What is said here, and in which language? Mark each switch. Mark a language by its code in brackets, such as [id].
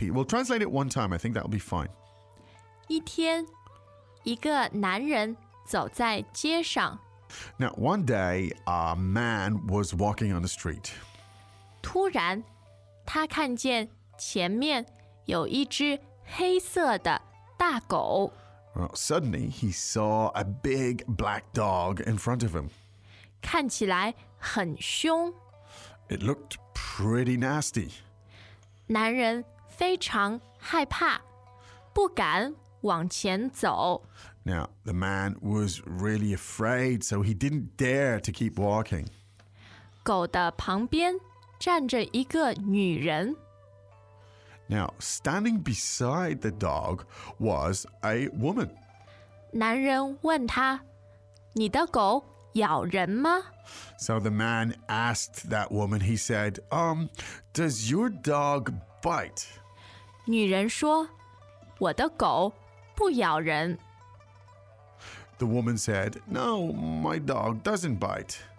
[en] We'll translate it one time. I think that'll be fine. [zh] 一天，一个男人走在街上。 [en] Now, one day, a man was walking on the street. [zh] 突然，他看见前面有一只黑色的大狗。 [en] Well, suddenly, he saw a big black dog in front of him. [zh] 看起来很凶。 [en] It looked pretty nasty. [zh] 男人非常害怕，不敢往前走。 [en] Now, the man was really afraid, so he didn't dare to keep walking. [zh] 狗的旁边站着一个女人。 [en] Now, standing beside the dog was a woman. [zh] 男人问他：你的狗咬人吗？ [en] So the man asked that woman, he said, does your dog bite? [zh] 女人说：我的狗不咬人。 [en] The woman said, no, my dog doesn't bite.